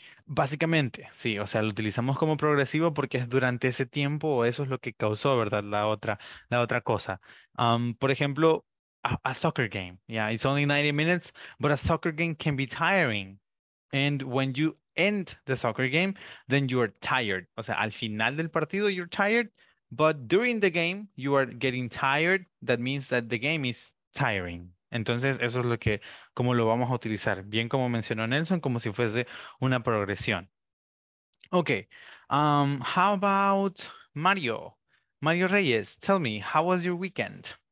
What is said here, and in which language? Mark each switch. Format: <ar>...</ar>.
<es>Básicamente, sí, o sea, lo utilizamos como progresivo porque es durante ese tiempo, eso es lo que causó, ¿verdad? La otra cosa. Por ejemplo,</es> <en>a soccer game, yeah, it's only 90 minutes, but a soccer game can be tiring. And when you end the soccer game, then you are tired.</en> <es>O sea, al final del partido</es> <en>you're tired, but during the game you are getting tired. That means that the game is tiring.</en> <es>Entonces, eso es lo que, cómo lo vamos a utilizar. Bien como mencionó Nelson, como si fuese una progresión.</es> <en>Ok. How about Mario? Mario Reyes, tell me, how was your weekend?</en>